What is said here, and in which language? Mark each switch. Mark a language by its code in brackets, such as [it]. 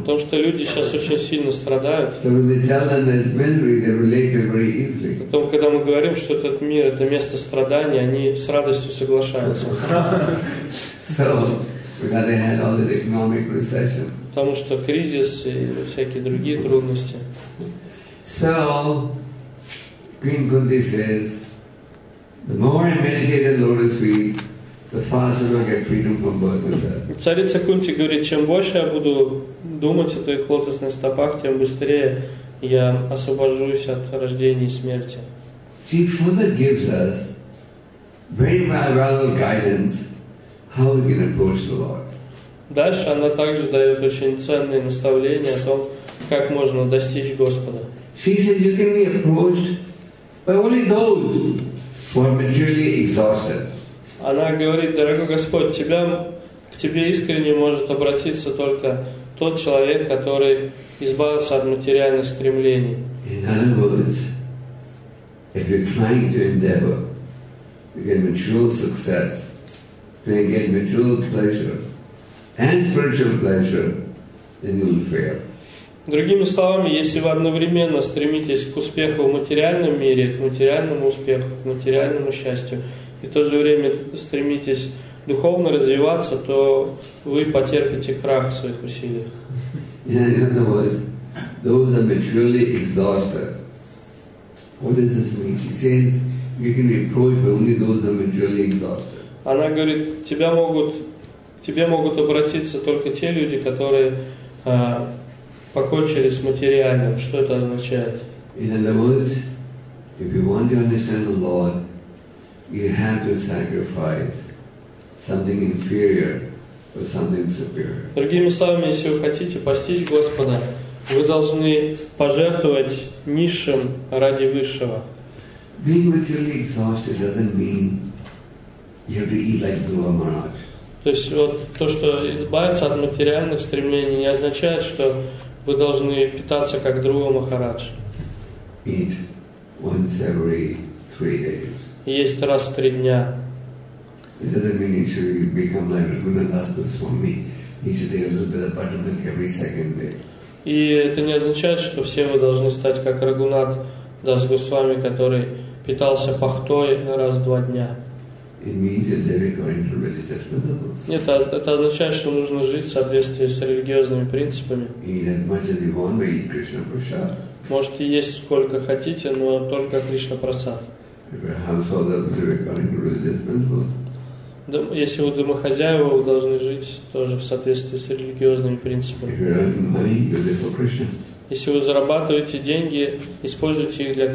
[ru] Потому что люди сейчас очень сильно страдают. [en] So when they tell them there's misery, they relate it very easily. [ru] Потом, когда мы говорим, что этот мир это место страдания, они с радостью соглашаются. [en] So because they had all the economic recession. [ru] Потому что кризис и всякие другие трудности. [en] So Queen Kunti says, the more I meditate the lotus feet. The faster I get freedom from birth and death. [ru] Царица Кунти говорит, чем больше я буду думать о твоих лотосных стопах, тем быстрее я освобожусь от рождения и смерти. [en] She further gives us very valuable guidance how we can approach the Lord. [ru] Дальше она также дает очень ценные наставления о том, как можно достичь Господа. [en] She says you can be approached by only those who are materially exhausted. [ru] Она говорит, дорогой Господь, к Тебе искренне может обратиться только тот человек, который избавился от материальных стремлений. [en] In other words, if you're trying to endeavor to get material success, to get material pleasure and spiritual pleasure, then you'll fail. [ru] Другими словами, если вы одновременно стремитесь к успеху в материальном мире, к материальному успеху, к материальному счастью, и в то же время стремитесь духовно развиваться, то вы потерпите крах в своих усилиях. [en] Yeah, in other words, those are materially exhausted. What does this mean? She says you can be approached, but only those are materially exhausted. [ru] Она говорит, к тебе могут обратиться только те люди, которые покончили с материальным. Что это означает? [en] In other words, if you want to understand the Lord, you have to sacrifice something inferior for something superior. [ru] Другими словами, если вы хотите постичь Господа, вы должны пожертвовать низшим ради высшего. [en] Being materially exhausted doesn't mean you have to eat like Guru Maharaj. [ru] То есть вот то, что избавиться от материальных стремлений, не означает, что вы должны питаться как Друга Махарадж. [en] Eat once every 3 days. [ru] Есть раз в 3 дня. [en] It doesn't mean you should become like Raghunath Das Goswami. You should eat a little bit of buttermilk every second day. [ru] И это не означает, что все вы должны стать как Рагхунат Дас Госвами, который питался пахтой раз в два дня. [en] It means that they're going to religious principles. [ru] Нет, это означает, что нужно жить в соответствии с религиозными принципами. [en] Eat as much as you want, but eat Krishna prasad. [ru] Можете есть сколько хотите, но только Кришна прасад. Если вы домохозяева, вы должны жить тоже в соответствии с религиозными принципами. Если вы зарабатываете деньги, используйте их для